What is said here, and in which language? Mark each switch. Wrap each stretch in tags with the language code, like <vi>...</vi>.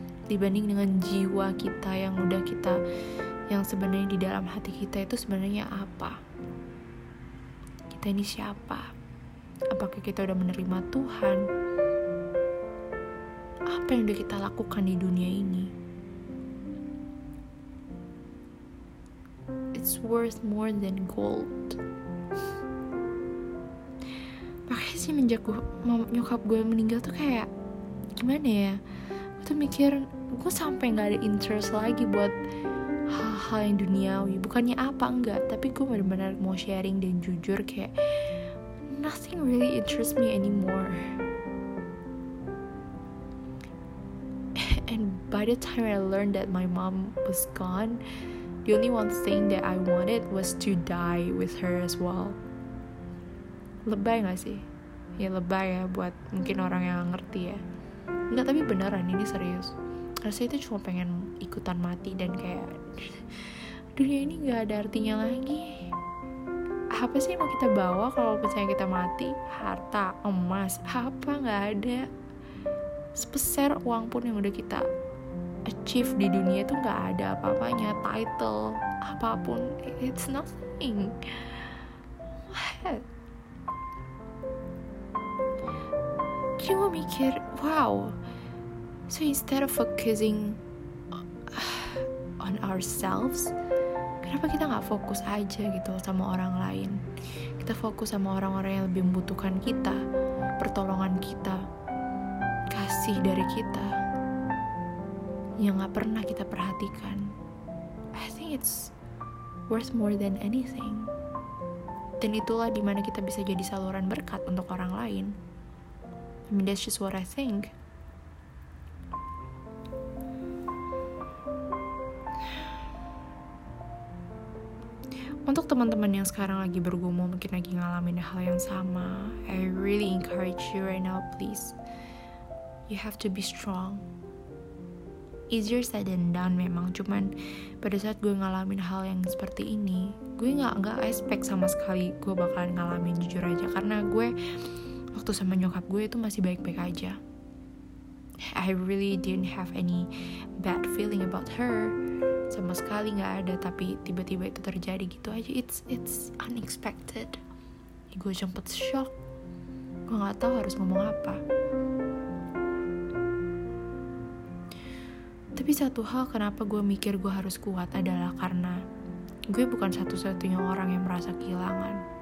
<id>Dibanding dengan jiwa kita yang udah kita, yang sebenarnya di dalam hati kita itu sebenarnya apa? Kita ini siapa? Apakah kita udah menerima Tuhan? Apa yang udah kita lakukan di dunia ini?</id> <en>It's worth more than gold.</en> <id>Makanya sih menjak nyokap gue meninggal tuh kayak gimana ya? Gue tuh mikir, gue sampai gak ada interest lagi buat hal-hal yang duniawi. Bukannya apa, enggak, tapi gue benar-benar mau sharing dan jujur, kayak</id> <en>nothing really interests me anymore. And by the time I learned that my mom was gone, the only one thing that I wanted was to die with her as well.</en> <id>Lebay gak sih? Ya lebay ya buat mungkin orang yang ngerti ya. Enggak, tapi beneran, ini serius. Rasanya itu cuma pengen ikutan mati dan kayak dunia ini gak ada artinya lagi. Apa sih yang mau kita bawa kalau misalnya kita mati? Harta, emas, apa? Gak ada. Sebesar uang pun yang udah kita achieve di dunia itu gak ada apa-apanya.</id> <en>Title,</en> <id>apapun,</id> <en>it's nothing. What?</en> <id>Cuma mikir, wow.</id> <en>So instead of focusing on ourselves,</en> <id>kenapa kita gak fokus aja gitu sama orang lain? Kita fokus sama orang-orang yang lebih membutuhkan kita, pertolongan kita, kasih dari kita yang gak pernah kita perhatikan.</id> <en>I think it's worth more than anything.</en> <id>Dan itulah dimana kita bisa jadi saluran berkat untuk orang lain.</id> <en>I mean, that's just what I think.</en> <id>Untuk teman-teman yang sekarang lagi bergumul, mungkin lagi ngalamin hal yang sama,</id> <en>I really encourage you right now, please. You have to be strong. Easier said than done</en> <id>memang, cuman pada saat gue ngalamin hal yang seperti ini, gue gak expect sama sekali gue bakalan ngalamin, jujur aja. Karena gue, waktu sama nyokap gue itu masih baik-baik aja.</id> <en>I really didn't have any bad feeling about her.</en> <id>Sama sekali gak ada, tapi tiba-tiba itu terjadi gitu aja.</id> <en>It's unexpected.</en> <id>Gue sempet shock. Gue gak tahu harus ngomong apa. Tapi satu hal kenapa gue mikir gue harus kuat adalah karena gue bukan satu-satunya orang yang merasa kehilangan.</id>